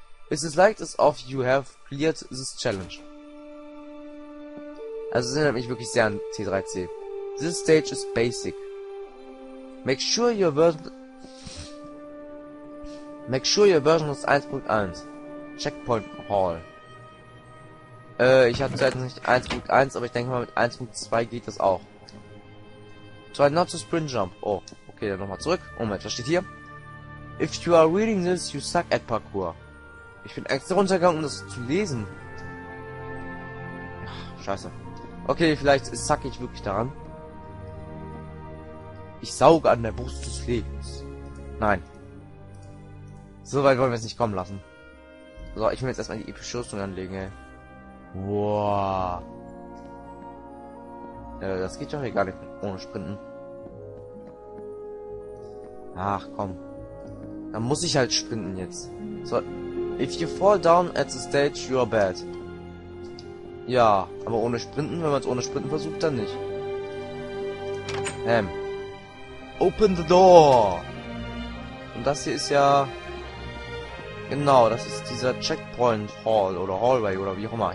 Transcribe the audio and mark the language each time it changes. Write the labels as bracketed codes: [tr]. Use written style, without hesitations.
[en] Is it like as if you have cleared this challenge? [de] Also, es erinnert mich wirklich sehr an C3C. [en] This stage is basic. Make sure your version is 1.1. [de] Checkpoint Hall. Ich habe zwar nicht 1.1, aber ich denke mal, mit 1.2 geht das auch. [en] Try not to sprint jump. [de] Oh, okay, dann nochmal zurück. Moment, was steht hier? [en] If you are reading this, you suck at parkour. [de] Ich bin extra runtergegangen, um das zu lesen. Ach, scheiße. Okay, vielleicht suck ich wirklich daran. Ich sauge an der Brust des Lebens. Nein. So weit wollen wir es nicht kommen lassen. So, ich will jetzt erstmal die epische Rüstung anlegen, ey. Wow. Das geht doch hier gar nicht ohne Sprinten. Ach komm. Dann muss ich halt sprinten jetzt. So. [en] If you fall down at the stage, you are bad. [de] Ja, aber ohne Sprinten, wenn man es ohne Sprinten versucht, dann nicht. [en] Open the door. [de] Und das hier ist ja. Genau, das ist dieser Checkpoint Hall oder Hallway oder wie auch immer.